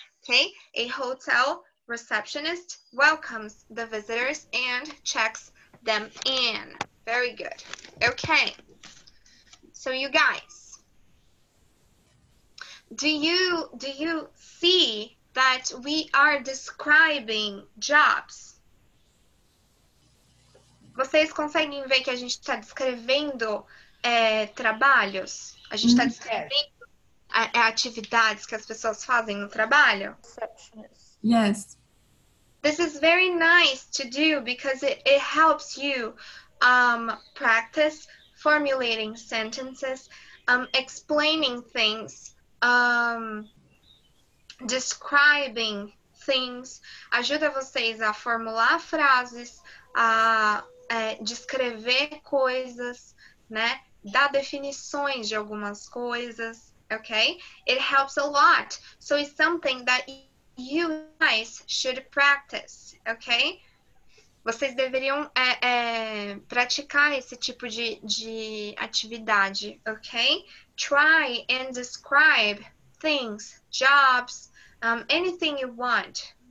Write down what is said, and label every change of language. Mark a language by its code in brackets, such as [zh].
[en] Okay, a hotel receptionist welcomes the visitors and checks them in. Very good. Okay, so you guys, do you see that we are describing jobs? [pt] Vocês conseguem ver que a gente está descrevendo trabalhos? A gente está descrevendo atividades que as pessoas fazem no trabalho? [en] Yes. This is very nice to do because it helps you practice formulating sentences, explaining things, describing things. [pt] Ajuda vocês a formular frases, a descrever coisas, né? Dar definições de algumas coisas. [en] Okay, it helps a lot. So it's something that you guys should practice. [pt] Okay, vocês deveriam praticar esse tipo de atividade. [en] Okay, try and describe things, jobs, anything you want.